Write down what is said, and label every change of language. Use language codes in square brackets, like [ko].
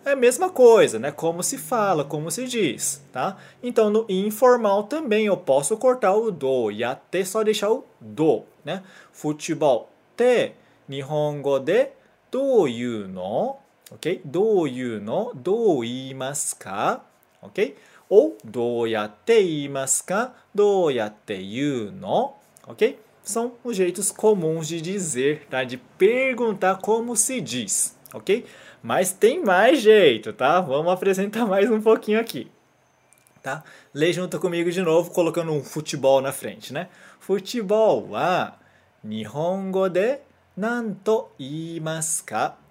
[pt] É a mesma coisa, né? Como se fala, como se diz, tá? Então, no informal também eu posso cortar o do e até só deixar o do, né? [ja] Futebol te nihongo de どう言うの? Ok? どう言うの?どう言いますか?Ok? Ou どうやって言いますか? どうやって言うの?Ok? [pt] São os jeitos comuns de dizer, tá? De perguntar como se diz, ok? Mas tem mais jeito, tá? Vamos apresentar mais um pouquinho aqui, tá? Lê junto comigo de novo, colocando um futebol na frente, né? [ja] Futebol wa nihongo de nanto imasuka.